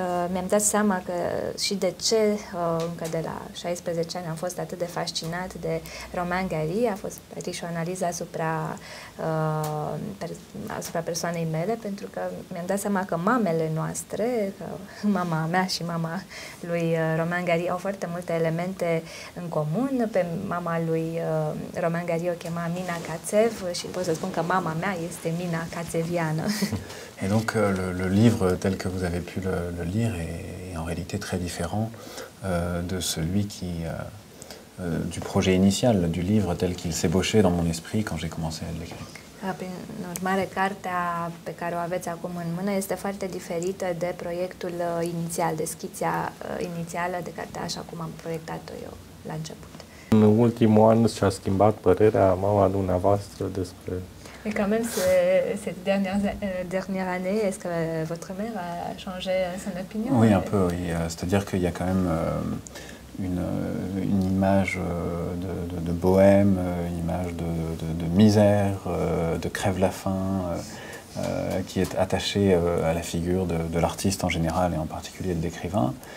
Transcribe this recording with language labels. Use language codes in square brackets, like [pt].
[ro] mi-am dat seama că și de ce încă de la 16 ani am fost atât de fascinat de Romain Gary, a fost practic și o analiză asupra persoanei mele, pentru că mi-am dat seama că mamele noastre, că mama mea și mama lui Romain Gary au foarte multe elemente în comun. Pe mama lui Romain Gary o chema Mina Katsev și pot să spun că mama mea este Mina Katseviană. [fr] Et donc le livre tel que vous avez pu le lire est en réalité très différent de celui qui du projet initial du livre tel qu'il s'ébauchait dans mon esprit quand j'ai commencé à l'écrire. [ro] Prin urmare, cartea pe care o aveți acum în mână este foarte diferită de proiectul inițial, de schița inițială de cartea așa cum am proiectat-o eu la început. În ultimul an s-a schimbat părerea mama dumneavoastră despre... [fr] Mais quand même, cette dernière année, est-ce que votre mère a changé son opinion? Oui, un peu, oui. C'est-à-dire qu'il y a quand même une image de bohème, une image de misère, de crève-la-faim, qui est attachée à la figure de l'artiste en général, et en particulier de l'écrivain.